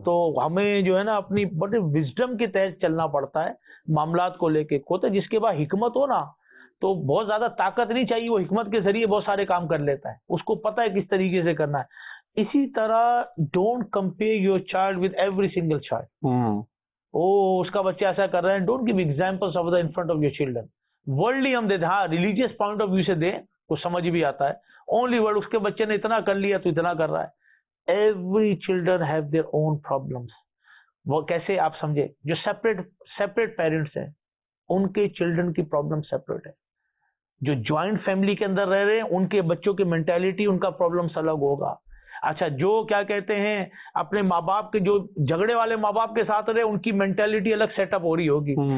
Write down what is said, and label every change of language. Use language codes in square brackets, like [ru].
[hi] तो हमें जो है ना अपनी बड़े विजडम के तहत चलना पड़ता है मामलात को लेके कहते जिसके पास हिकमत हो ना तो बहुत ज्यादा ताकत नहीं चाहिए वो हिकमत के जरिए बहुत सारे काम कर लेता है उसको पता है किस तरीके से करना है इसी तरह [en] don't compare your child with every single child [hi] ओ उसका बच्चा ऐसा कर रहा है [en] don't give examples of the in front of your children [hi] worldly हम दे हाँ रिलीजियस पॉइंट ऑफ व्यू से दे कुछ समझ भी आता है ओनली वर्ड उसके बच्चे ने इतना कर लिया तो इतना कर रहा है [en] every children have their own problems. [hi] वो कैसे आप समझे जो separate parents हैं उनके children की problem separate है, जो joint family के अंदर रह रहे हैं उनके बच्चों की mentality उनका problems अलग होगा. अच्छा जो क्या कहते हैं अपने माँ बाप के जो झगड़े वाले माँ बाप के साथ रहे उनकी मेंटेलिटी अलग सेटअप हो रही होगी.